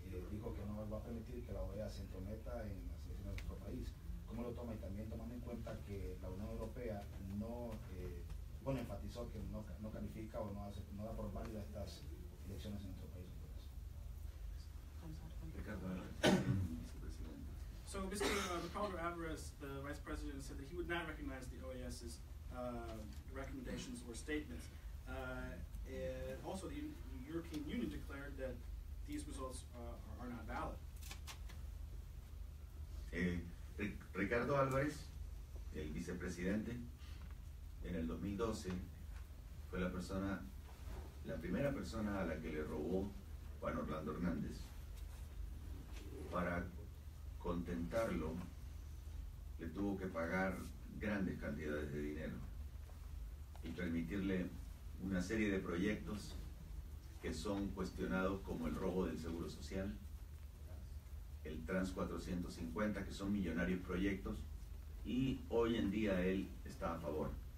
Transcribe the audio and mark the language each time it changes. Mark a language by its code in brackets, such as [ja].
[es] Dijo que no va a permitir que la OEA se entrometa en las elecciones de nuestro país. ¿Cómo lo toma? Y también tomando en cuenta que la Unión Europea no, bueno, enfatizó que no califica o no da por válida estas elecciones en nuestro país. Ricardo, vicepresidente. [en] So, Mr. Ricardo Alvarez, the vice president, said that he would not recognize the OAS's recommendations or statements. And also, the European Union declared that these results are not valid. [es] Ricardo Álvarez, el vicepresidente, en el 2012 fue la primera persona a la que le robó Juan Orlando Hernández. Para contentarlo, le tuvo que pagar grandes cantidades de dinero y permitirle una serie de proyectos que son cuestionados, como el robo del Seguro Social, el Trans 450, que son millonarios proyectos, y hoy en día él está a favor.